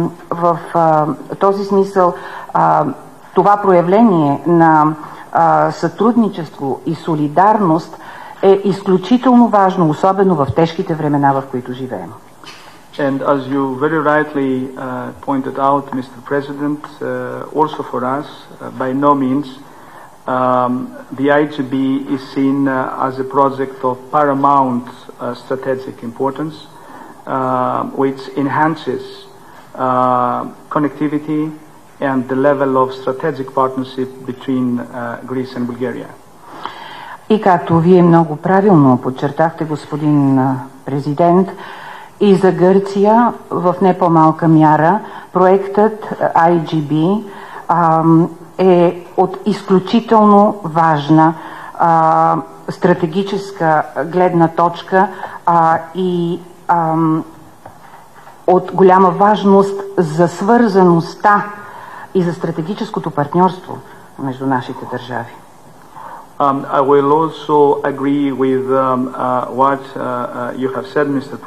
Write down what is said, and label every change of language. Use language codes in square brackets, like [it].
[bg] В този смисъл това проявление на сътрудничество и солидарност е изключително важно, особено в тежките времена, в които живеем. [en] And as you very rightly pointed out, Mr. President, also for us, by no means, the IGB is seen as a project of paramount strategic importance, which enhances connectivity and the level of strategic partnership between Greece and Bulgaria. [bg] И както вие много правилно подчертахте, господин президент, и за Гърция в не по-малка мяра проектът IGB е от изключително важна стратегическа гледна точка и от голяма важност за свързаността и за стратегическото партньорство между нашите държави. [en] I will also agree with what you have said, Mr.